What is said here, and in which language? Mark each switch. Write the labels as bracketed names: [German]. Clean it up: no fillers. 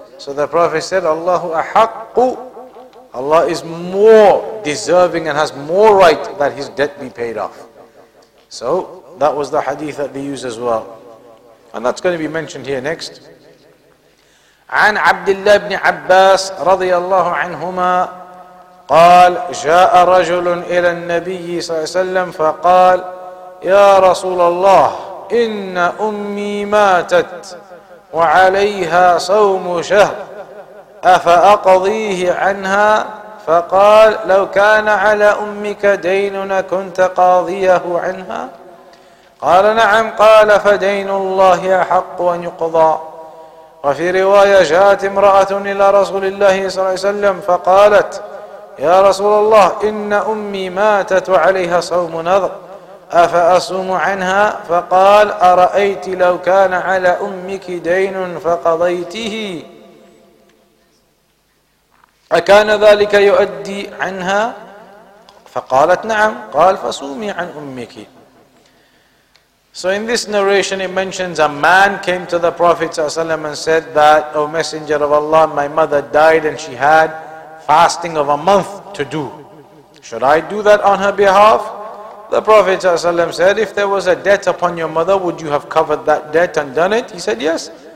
[English] So the Prophet said, [Arabic] Allahu ahaqqu. [English] Allah is more deserving and has more right that his debt be paid off. So that was the hadith that they use as well. And that's going to be mentioned here next. [Arabic] An Abdullah ibn Abbas radiyallahu anhuma. قال جاء رجل إلى النبي صلى الله عليه وسلم فقال يا رسول الله إن أمي ماتت وعليها صوم شهر أفأقضيه عنها فقال لو كان على أمك دين كنت قاضيه عنها قال نعم قال فدين الله أحق أن يقضى وفي رواية جاءت امرأة إلى رسول الله صلى الله عليه وسلم فقالت يا رسول الله إن أمي ماتت وعليها صوم نذر أفأصوم عنها فقال أرأيت لو كان على أمك دين فقضيته أكان ذلك يؤدي عنها فقالت نعم قال فصومي عن أمك. [English] So in this narration it mentions a man came to the Prophet ﷺ and said that, O Messenger of Allah, my mother died and she had fasting of a month to do. Should I do that on her behalf? The Prophet ﷺ said, if there was a debt upon your mother, would you have covered that debt and done it? He said, yes.